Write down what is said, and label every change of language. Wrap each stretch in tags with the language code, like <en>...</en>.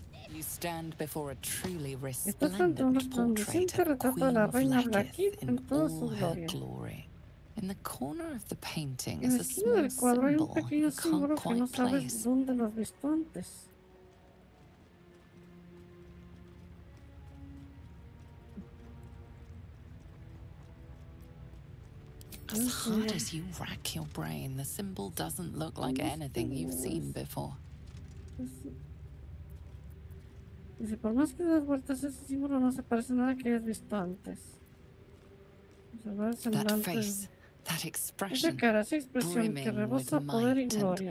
<en>You stand before a truly resplendent portrait of the Queen of Lacketh in all her glory. In the corner of the painting is a small symbol you can't quite place.</en> <es>En el esquina del cuadro hay un pequeño símbolo que no sabes dónde lo has visto antes.</es> <en>As hard as you rack your brain, the symbol doesn't look like anything you've seen before.</en> <es>Dice, por más que das vueltas, ese símbolo no se parece a nada que hayas visto antes.</es> <en>That face, that</en> <es>esa cara, esa expresión que rebosa poder y gloria.</es>